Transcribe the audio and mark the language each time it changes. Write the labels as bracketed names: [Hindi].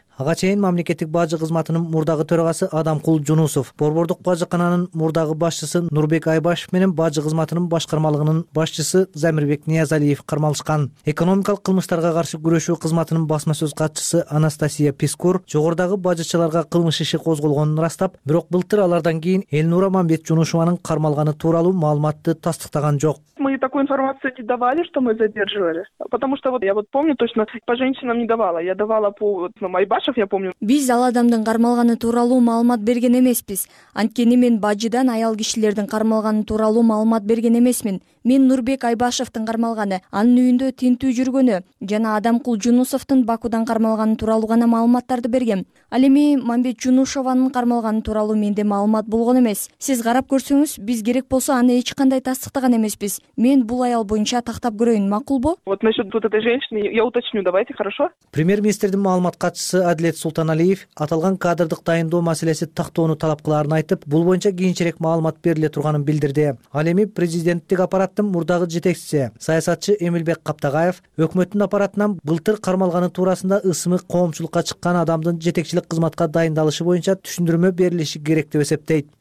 [Kyrgyz] Ага чейин мамлекеттик бажы кызматынын мурдагы төрагасы Адамкул Жунусов, борбордук бажыкананын мурдагы башчысы Нурбек Айбашев менен бажы кызматынын башкармалыгынын башчысы Замирбек Ниязалиев кармалышкан. Экономикалык кылмыштарга каршы күрөшүү кызматынын басма сөз катчысы Анастасия Пискур жогорудагы бажычыларга кылмыш иши козголгонун ырастап, бирок былтыр алардан кийин Элнура Мамбетчунушованын кармалганы тууралуу маалыматты тастыктаган жок. [Russian] Мы такую информацию не давали, что мы задерживали. Потому что вот я вот помню точно, по женщинам не давала. Я давала по вот на Майбашев, я помню. [Kyrgyz] Биз ал адамдын кармалганы тууралуу маалымат берген эмеспиз. Анткени мен бажыдан аял кишилердин кармалганы тууралуу маалымат берген эмесмин. Мен Нурбек Айбашевдин кармалганы, анын үйүндө тинтүү жүргөнү жана Адамкул Жунусовдун Бакудан кармалганы тууралуу гана маалыматтарды бергем. Ал эми Мамбет Жунушованын кармалганы тууралуу менде маалымат болгон эмес. Сиз карап көрсөңүз, биз керек болсо аны эч кандай тастыктаган эмеспиз. Мен бул аял боюнча тактап көрөйүн, макулбу? [Russian] Вот насчет вот этой женщины я уточню, давайте, хорошо? [Kyrgyz] Премьер-министрдин маалымат катчысы Адилет Султаналиев аталган кадрдык дайындоо маселеси тактоону талап кылаарын айтып, бул боюнча кийинчерээк маалымат бериле турганын билдирди. Ал эми президенттик аппараттын мурдагы жетекчиси саясатчы Эмилбек Каптагаев өкмөттүн аппаратынан былтыр кармалганы туурасында ысымы коомчулукка чыккан адамдын жетекчилик кызматка дайындалышы боюнча түшүндүрмө берилиши керек деп эсептейт.